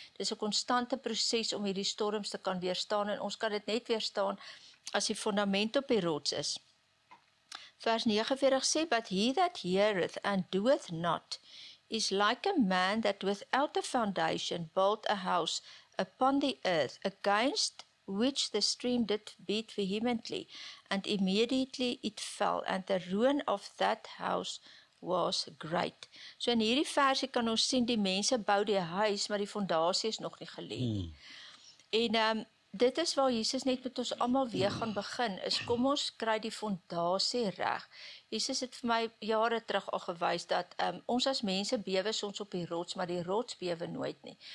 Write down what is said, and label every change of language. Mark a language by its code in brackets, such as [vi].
[af] Dit is 'n konstante proses om hierdie storms te kan weerstaan, en ons kan dit net weerstaan as die fondament op die rots is. Vers 49 sê, [en] "But he that heareth and doeth not is like a man that without a foundation built a house upon the earth, against which the stream did beat vehemently, and immediately it fell, and the ruin of that house was great." [af] So in hierdie versie kan ons sien, die mense bou die huis, maar die fondasie is nog nie gelê. En dit is waar Jesus net met ons allemaal weer gaan begin, is kom ons kry die fondasie reg. Jesus het vir my jare terug al gewys dat ons as mense bewe soms op die rots, maar die rots bewe nooit nie.